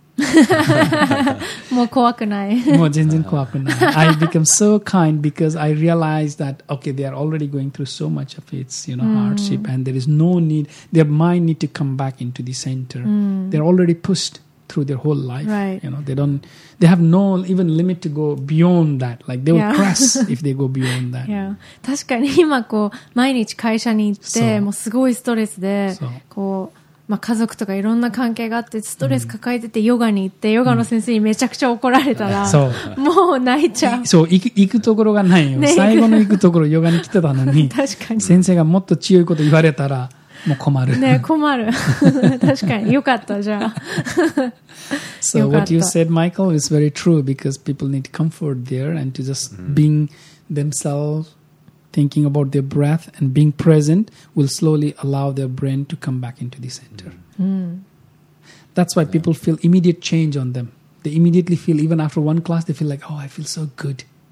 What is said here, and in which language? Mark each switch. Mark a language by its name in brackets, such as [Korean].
[English] I become so kind because I realize that okay, they are already going through so much of its, you know, hardship, and there is no need, their mind need to come back into the center. They're already pushed through their whole life, right? You know, they don't, they have no even limit to go beyond that. Like they will crash if they go beyond that. [Japanese] Yeah, 確かに今こう毎日会社に行ってもうすごいストレスでこう。まあ、家族とかいろんな関係があってストレス抱えててヨガに行ってヨガの先生にめちゃくちゃ怒られたらもう泣いちゃう。そう、行くところがないよ、ね、最後の行くところヨガに来てたのに確かに先生がもっと強いこと言われたらもう困る、ね、困る確かによかったじゃあ [English] So what you said, Michael, is very true, because people need comfort there and to just being themselves, thinking about their breath and being present will slowly allow their brain to come back into the center. That's why people feel immediate change on them. They immediately feel, even after one class, they feel like, oh, I feel so good.